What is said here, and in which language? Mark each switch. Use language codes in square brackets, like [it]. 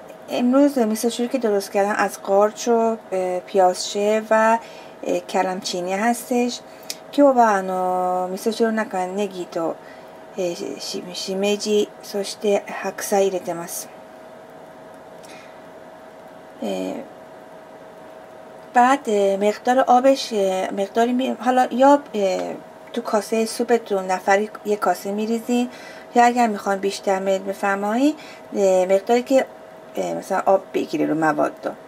[fa] امروز味噌汁که درست کردم از قارچ و پیازچه و کلم چینی هستش. [ja] 今日は味噌汁の中にネギとしめじそして白菜入れてます。 [fa] بعد مقدار آبش مقداری حالا یا تو کاسه سوپتون نفری یک کاسه میریزین یا اگر میخوان بیشتر بفرمایی مقداری که مثلا آب بگیره رو مواد دو.